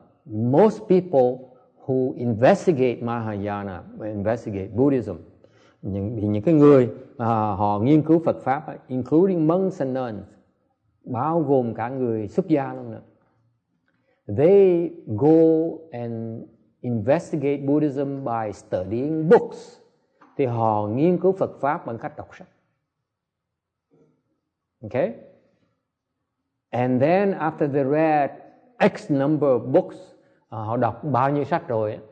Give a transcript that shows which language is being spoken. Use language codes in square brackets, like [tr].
[en] Most people who investigate Mahayana, investigate Buddhism, [vi] những cái người họ nghiên cứu Phật pháp, [en] including monks and nuns, [vi] bao gồm cả người xuất gia luôn nữa. [en] They go and investigate Buddhism by studying books. [vi] Thì họ nghiên cứu Phật pháp bằng cách đọc sách. [en] Okay? And then after they read X number of books, [vi] họ đọc bao nhiêu sách rồi.